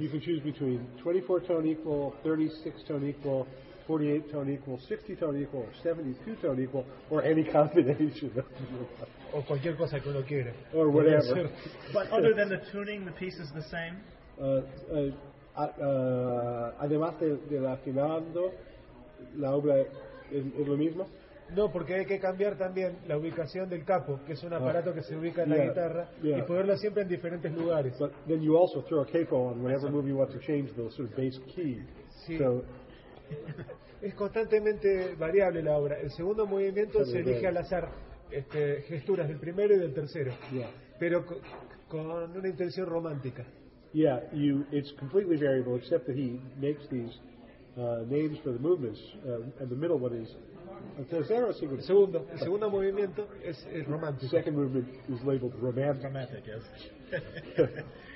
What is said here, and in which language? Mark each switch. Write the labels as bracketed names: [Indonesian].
[English] You can choose between 24 tone equal, 36 tone equal, 48 tone equal, 60 tone equal, 72 tone equal, or any combination. [Spanish] O cualquier cosa que uno quiera. [English] Or whatever. Yes. But other than the tuning, the piece is the same. [Spanish] Además de la afinando, la obra es lo mismo. No, porque hay que cambiar también la ubicación del capo, que es un aparato que se ubica en la guitarra, y ponerlo siempre en diferentes lugares. [English] But then you also throw a capo on whenever move you want to change the sort of bass key. [Spanish] Sí. So es constantemente variable la obra. El segundo movimiento se elige al azar, gesturas del primero y del tercero. Yeah. Pero con una intención romántica. [English] Yeah, it's completely variable, except that he makes these names for the movements, and the middle one is. [Spanish] El segundo movimiento es romántico. [English] Second movement is labeled romantic. Romantic, yes.